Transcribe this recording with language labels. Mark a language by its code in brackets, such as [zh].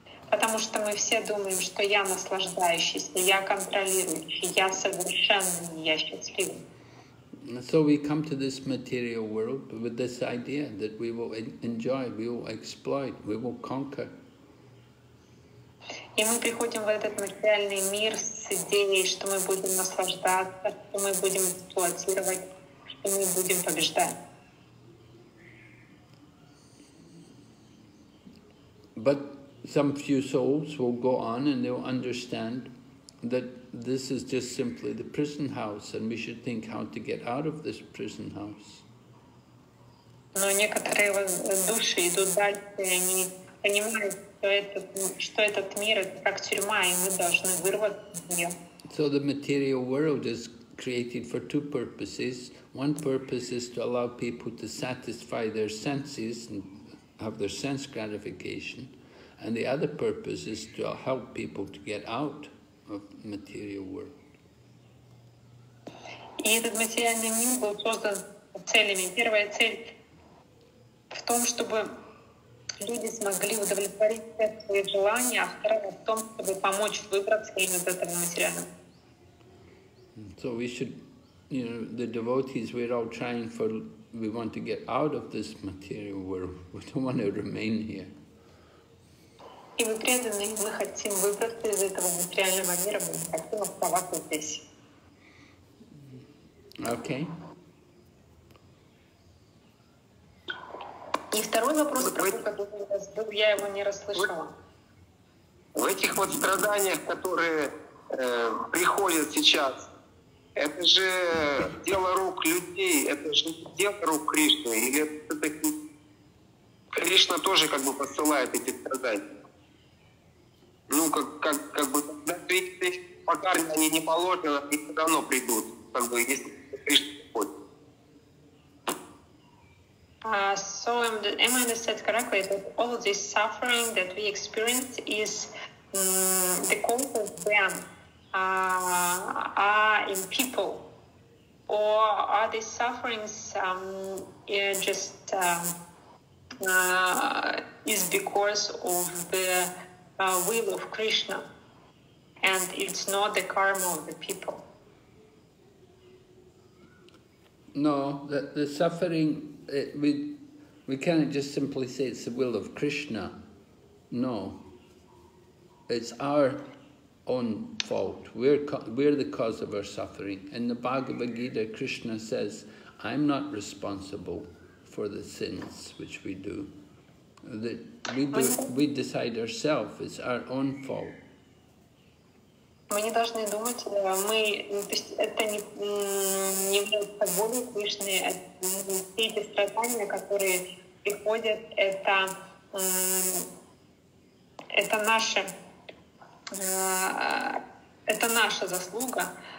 [ru] Потому что мы все думаем, что я наслаждающийся, я контролирующий, я совершенный, я счастливый. [en] So we come to this material world with this idea that we will enjoy, we will exploit, we will conquer. [ru] И мы приходим в этот материальный мир с идеей, что мы будем наслаждаться, что мы будем эксплуатировать, что мы будем побеждать. [en] But some few souls will go on and they will understand that this is just simply the prison house, and we should think how to get out of this prison house. [ru] Но некоторые души идут дальше, они понимают, что этот мир это как тюрьма, и мы должны вырваться из нее. [en] So the material world is created for two purposes. One purpose is to allow people to satisfy their senses and have their sense gratification, and the other purpose is to help people to get out of material world. [ru] И этот материальный мир был создан целями. Первая цель в том, чтобы люди смогли удовлетворить все свои желания, а вторая в том, чтобы помочь выбраться именно из этого материала. [en] So we should, you know, the devotees, we're all trying for, we want to get out of this material world. We don't want to remain here. [ru] И мы преданные, мы хотим выбраться из этого материального мира, мы не хотим оставаться здесь. Окей. Okay. И второй вопрос, я его не расслышала. В этих вот страданиях, которые приходят сейчас, это же дело рук людей, это же дело рук Кришны, или все-таки Кришна тоже как бы посылает эти страдания? Ну, как бы, даже если по карме они не положены, они все равно придут, как бы, если Кришна приходит. [en] So, am I understood correctly, that all this suffering that we experience is the cause of them are in people? Or are these sufferings is because of the will of Krishna, and it's not the karma of the people. No, the suffering, we cannot just simply say it's the will of Krishna. No, it's our own fault. We're the cause of our suffering. In the Bhagavad Gita, Krishna says, I'm not responsible for the sins which we do. That we decide ourselves, it's our own fault. [ru] Мы не должны думать, мы, то есть это не является болью Кришны, все эти страдания, которые приходят, это наша заслуга.